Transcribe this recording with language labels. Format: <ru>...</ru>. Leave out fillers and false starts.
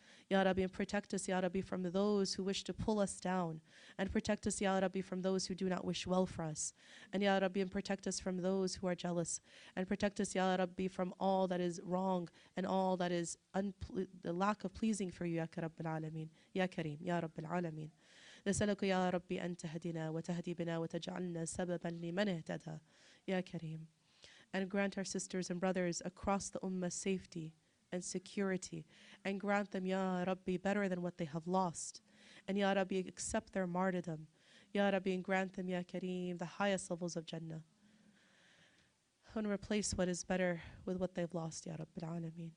<en>Ya Rabbi, and protect us, Ya Rabbi, from those who wish to pull us down. And protect us, Ya Rabbi, from those who do not wish well for us. And Ya Rabbi, and protect us from those who are jealous. And protect us, Ya Rabbi, from all that is wrong and all that is the lack of pleasing for you, Ya Rabbil Alameen. Ya Kareem, Ya Rabbil Alameen.</en> <ar>نسألك يا ربي أن تهدينا وتهدي بنا وتجعلنا سببا لمن اهتدى يا كريم.</ar> <en>And grant our sisters and brothers across the Ummah safety and security, and grant them, Ya Rabbi, better than what they have lost. And Ya Rabbi, accept their martyrdom. Ya Rabbi, and grant them, Ya Kareem, the highest levels of Jannah. And replace what is better with what they've lost, Ya Rabbil Alameen.</en>